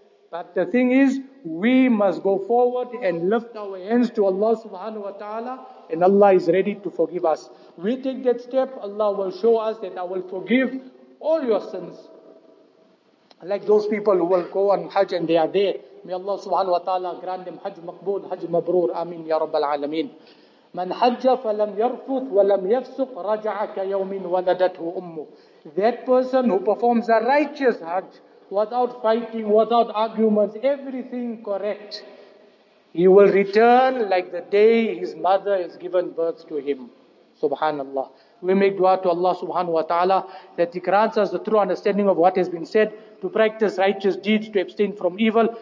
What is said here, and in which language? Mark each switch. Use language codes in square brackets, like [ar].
[en] But the thing is, we must go forward and lift our hands to Allah subhanahu wa ta'ala. And Allah is ready to forgive us. We take that step, Allah will show us that I will forgive all your sins. Like those people who will go on Hajj and they are there. May Allah subhanahu wa ta'ala grant them Hajj maqbool, Hajj mabroor. Ameen ya Rabbal Alameen. [ar] من حج فلم يرفث ولم يفسق رجع كيوم ولدته أمه. [en] That person who performs a righteous Hajj without fighting, without arguments, everything correct, he will return like the day his mother has given birth to him. Subhanallah. We make dua to Allah subhanahu wa ta'ala that he grants us the true understanding of what has been said, to practice righteous deeds, to abstain from evil.